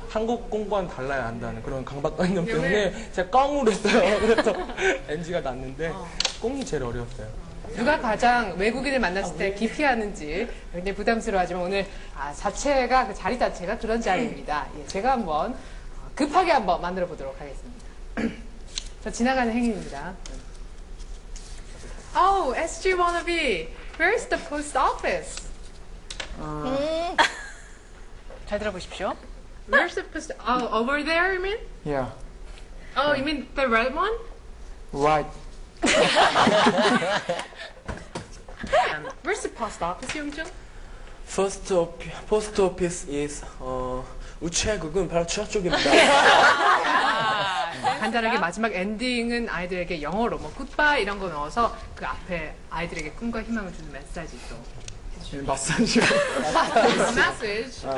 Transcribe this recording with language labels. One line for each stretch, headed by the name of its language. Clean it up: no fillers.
Korean: 한국 꽁꽁은 달라야 한다는 그런 강박관념 네, 때문에 네. 제가 꽁으로 했어요. 그래서 NG가 났는데 꽁이 제일 어려웠어요. 누가 가장 외국인을 만났을 때 기피하는지 굉장히 부담스러워하지만 오늘 자체가 그 자리 자체가 그런 자리입니다. 예, 제가 한번 급하게 한번 만들어 보도록 하겠습니다. 저 지나가는 행인입니다.
English: Oh, SG wannabe, where's the post office?
Korean: 잘 들어보십시오.
English: Where's the post? Oh, over there, you mean? Yeah. Oh, you mean the red one? Right. Where's the post office, Yongjung?
Korean: Post office is 우체국은 바로 지하 쪽입니다. 간단하게 마지막 엔딩은 아이들에게 영어로 뭐 굿바이 이런 거 넣어서 그 앞에 아이들에게 꿈과 희망을 주는 메시지도 마사지. 마사지.